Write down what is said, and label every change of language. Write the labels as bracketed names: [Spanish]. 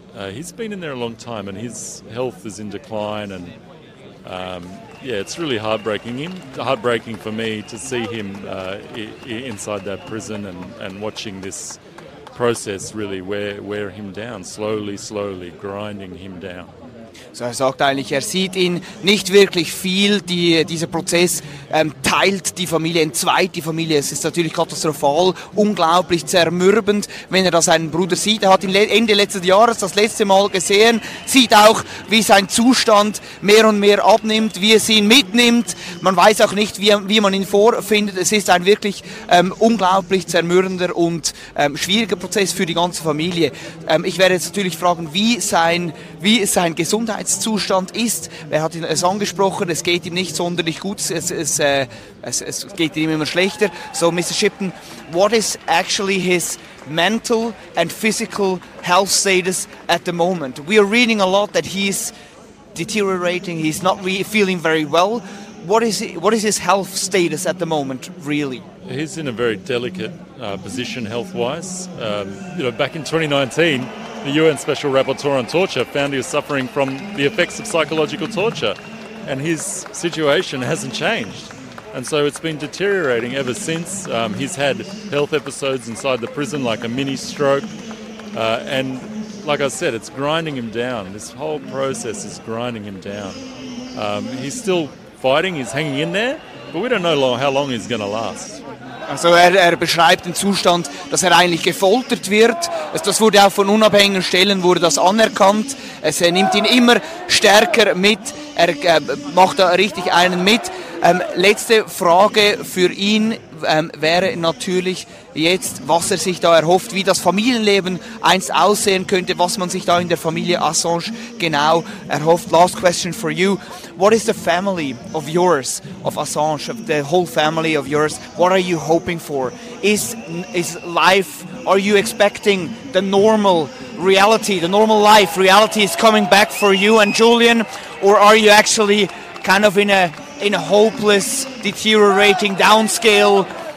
[English] He's been in there a long time and his health is in decline. And, it's really heartbreaking. Heartbreaking for me to see him inside that prison and watching this process really wear him down, slowly grinding him down. [German] So er sagt eigentlich, er sieht ihn nicht wirklich viel, dieser Prozess teilt die Familie, entzweit die Familie. Es ist natürlich katastrophal, unglaublich zermürbend, wenn er da seinen Bruder sieht. Er hat ihn Ende letzten Jahres das letzte Mal gesehen, sieht auch, wie sein Zustand mehr und mehr abnimmt, wie es ihn mitnimmt. Man weiß auch nicht, wie man ihn vorfindet. Es ist ein wirklich unglaublich zermürbender und schwieriger Prozess für die ganze Familie. Ich werde jetzt natürlich fragen, wie sein Gesundheitszustand ist. Er hat es angesprochen, es geht ihm nicht sonderlich gut, es geht ihm immer schlechter. [English] So, Mr. Shipton, what is actually his mental and physical health status at the moment? We are reading a lot that he's deteriorating, he's not feeling very well. What is his health status at the moment, really? He's in a very delicate position health-wise. Back in 2019, the UN Special Rapporteur on Torture found he was suffering from the effects of psychological torture, and his situation hasn't changed. And so it's been deteriorating ever since. He's had health episodes inside the prison, like a mini stroke. And like I said, it's grinding him down. This whole process is grinding him down. He's still fighting, he's hanging in there, but we don't know how long he's going to last. [German] Also er beschreibt den Zustand, dass er eigentlich gefoltert wird. Das wurde auch von unabhängigen Stellen wurde das anerkannt. Er nimmt ihn immer stärker mit. Er macht da richtig einen mit. Letzte Frage für ihn wäre natürlich jetzt, was er sich da erhofft, wie das Familienleben einst aussehen könnte, was man sich da in der Familie Assange genau erhofft. [English] Last question for you. What is the family of yours, of Assange, of the whole family of yours, what are you hoping for? Is life, are you expecting the normal reality, the normal life reality is coming back for you and Julian, or are you actually kind of in a hopeless, deteriorating downscale?